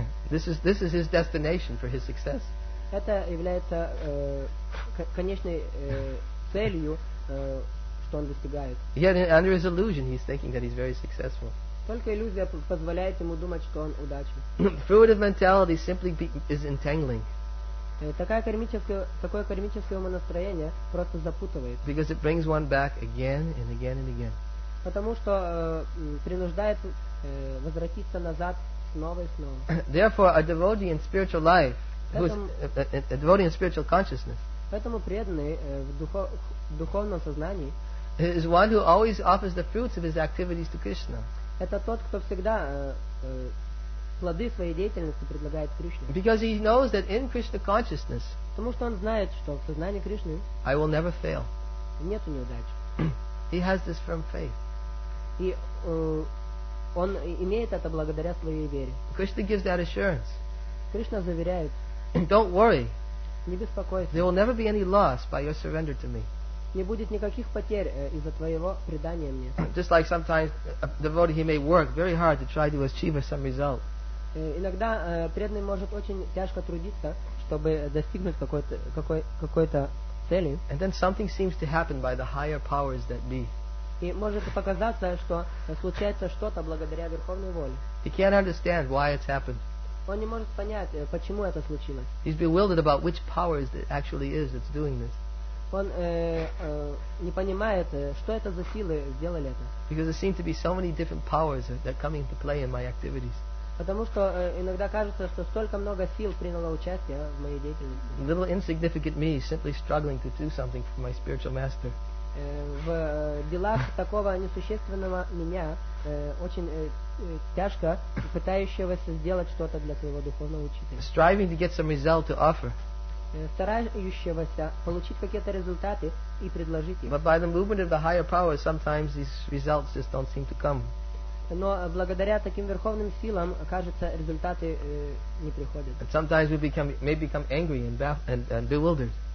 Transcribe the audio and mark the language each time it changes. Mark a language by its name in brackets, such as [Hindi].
[English] This is his destination for his success. [Russian] Это является конечной целью, что он достигает. [English] Yet under his illusion, he's thinking that he's very successful. [Russian] Только иллюзия позволяет ему думать, что он удачлив. [English] Fruit of mentality simply is entangling. [Russian] Такое кармическое умонастроение просто запутывает. [English] Because it brings one back again and again and again. [Russian] Потому что принуждает возвратиться назад снова и снова. [English] Therefore, a devotee in spiritual life, who is a devotee in spiritual consciousness, [Russian] поэтому преданный в духовном сознании, [English] is one who always offers the fruits of his activities to Krishna. [Russian] Это тот, кто всегда плоды своей деятельности предлагает Кришне. [English] Because he knows that in Krishna consciousness, [Russian] потому что он знает, что в сознании Кришны, [English] I will never fail. [Russian] Нет неудач. [English] He has this firm faith. [Russian] И он имеет это благодаря своей вере. [English] Krishna gives that assurance. [Russian] Кришна заверяет. [English] Don't worry. [Russian] Не беспокойся. [English] There will never be any loss by your surrender to me. [Russian] Не будет никаких потерь из-за твоего предания мне. [English] Just like sometimes a devotee, he may work very hard to try to achieve some result. [Russian] Иногда преданный может очень тяжко трудиться, чтобы достигнуть какой-то цели. [English] And then something seems to happen by the higher powers that be. [Russian] И может показаться, что случается что-то благодаря верховной воле. [English] He can't understand why it's happened. [Russian] Он не может понять, почему это случилось. [English] He's bewildered about which power it actually is that's doing this. [Russian] Он не понимает, что это за силы сделали это. [English] Because there seem to be so many different powers that are coming into play in my activities. [Russian] Потому что иногда кажется, что столько много сил приняло участие в моей деятельности. [English] Little insignificant me simply struggling to do something for my spiritual master. [Russian] В делах такого несущественного меня очень тяжко пытающегося сделать что-то для своего духовного учителя. [English] Striving to get some result to offer. [Russian] Старающегося получить какие-то результаты и предложить их. [English] But by the movement of the higher power, sometimes these results just don't seem to come. [Russian] Но благодаря таким верховным силам, кажется, результаты не приходят. [English] And sometimes we may become angry and bewildered.